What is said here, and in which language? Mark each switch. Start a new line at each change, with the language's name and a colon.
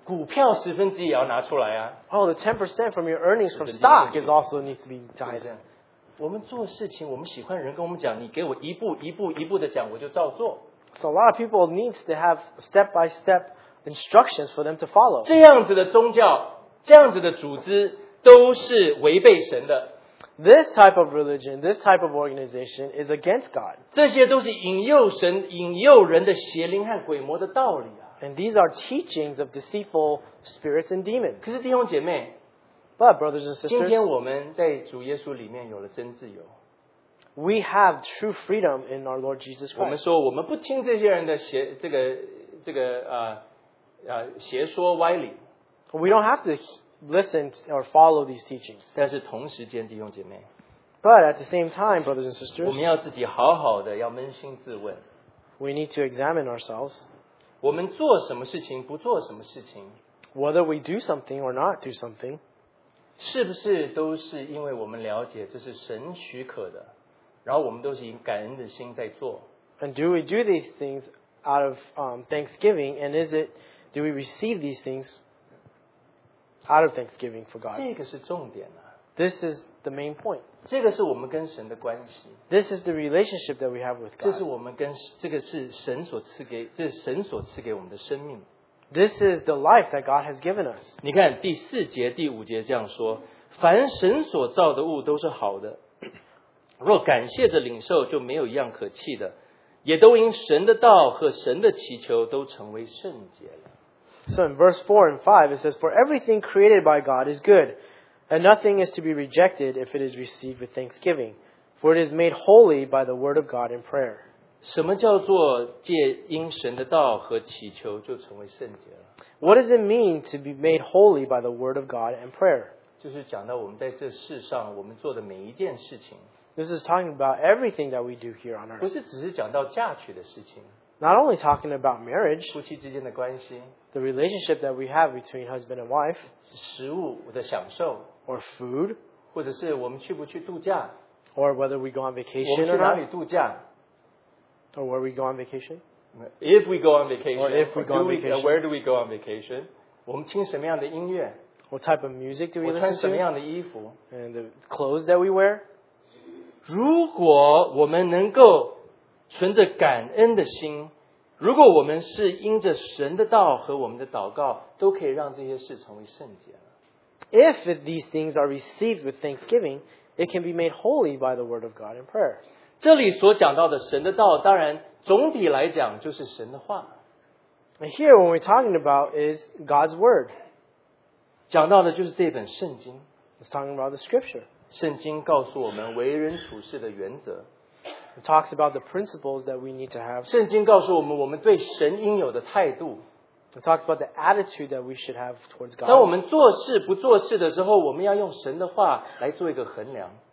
Chinese: 你的股票十分之一也要拿出来啊,
English: oh, the 10% from your earnings from stock is also needs to be tithed.
Chinese: 我们做事情我们喜欢人跟我们讲, 你给我一步一步一步的讲, 我就照做.
English: So a lot of people need to have step by step instructions for them to follow.
Chinese: 这样子的宗教, 这样子的组织, 都是违背神的,
English: this type of religion, this type of organization is against God.
Chinese: 这些都是引诱神, 引诱人的邪灵和鬼魔的道理啊,
English: and these are teachings of deceitful spirits and demons.
Chinese: 可是弟兄姐妹,
English: but brothers and sisters,
Chinese: 今天我们在主耶稣里面有了真自由,
English: we have true freedom in our Lord Jesus Christ.
Chinese: 我们说我们不听这些人的邪这个 邪说歪理,
English: we don't have to listen or follow these teachings.
Chinese: 但是同时间弟兄姐妹,
English: but at the same time, brothers and sisters,
Chinese: 我们要自己好好的要扪心自问,
English: we need to examine ourselves.
Chinese: 我们做什么事情不做什么事情,
English: whether we do something or not do something,
Chinese: 是不是都是因为我们了解这是神许可的, 然后我们都是以感恩的心在做,
English: and do we do these things out of thanksgiving, and is it, do we receive these things out of thanksgiving for God?
Chinese: 这个是重点啊,
English: this is the main point.
Chinese: 这个是我们跟神的关系,
English: this is the relationship that we have with God.
Chinese: 这是我们跟,
English: this is the life that God has given us.
Chinese: 你看第四节第五节这样说, 凡神所造的物都是好的, 若感谢着领受, 就没有一样可弃的, 也都因神的道和神的祈求都成为圣洁了。
English: So in verse 4 and 5, it says, "For everything created by God is good, and nothing is to be rejected if it is received with thanksgiving, for it is made holy by the word of God in prayer."
Chinese: 什么叫做借因神的道和祈求就成为圣洁了?
English: What does it mean to be made holy by the word of God and prayer?
Chinese: 就是讲到我们在这世上我们做的每一件事情。
English: This is talking about everything that we do here on earth.
Chinese: 不是只是讲到嫁娶的事情。
English: Not only talking about marriage,
Chinese: 夫妻之间的关系,
English: the relationship that we have between husband and wife,
Chinese: 食物的享受,
English: or food,
Chinese: 或者是我们去不去度假,
English: or whether we go on vacation or not, or where we go on vacation. If we go on vacation, or if we go on vacation, where do we go on vacation?
Chinese: 我们听什么样的音乐?
English: What type of music do we listen to?
Chinese: 我穿什么样的衣服?
English: And the clothes that we wear?
Chinese: 如果我们能够 存着感恩的心,如果我们是因着神的道和我们的祷告,都可以让这些事成为圣洁了。
English: If these things are received with thanksgiving, it can be made holy by the word of God in prayer.
Chinese: 这里所讲到的神的道,当然,总体来讲就是神的话。
English: Here, what we're talking about is God's word.
Chinese: 讲到的就是这本圣经。
English: It's talking about the scripture.
Chinese: 圣经告诉我们为人处事的原则。
English: It talks about the principles that we need to have.
Chinese: 圣经告诉我们我们对神应有的态度。
English: It talks about the attitude that we should have towards God.
Chinese: 当我们做事不做事的时候,我们要用神的话来做一个衡量。